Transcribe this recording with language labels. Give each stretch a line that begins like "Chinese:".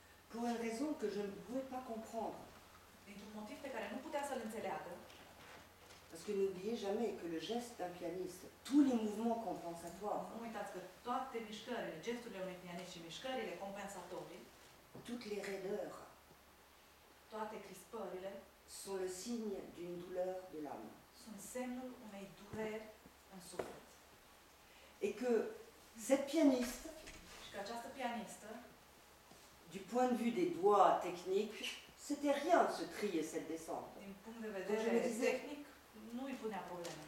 French: Pour une raison que je ne pouvais pas comprendre.
Romanian: Dintr-un motiv pe care nu putea să-l înțeleagă.
French: Parce que n'oubliez jamais que le geste d'un pianiste, tous les mouvements compensatoires.
Romanian: Nu uitați că toate mișcările, gesturile unui pianist și mișcările compensatorii,
French: toutes les raideurs,
Romanian: toate crispările,
French: sont le signe d'une douleur de l'âme.
Romanian: Sunt semnul unei dureri în suflet.
French: Et que cette pianiste,
Romanian: și că această pianistă,
French: du point de vue des doigts techniques, c'était rien ce tri et cette descente.
Romanian: D'un punct de vedere tehnic, nu îi punea probleme.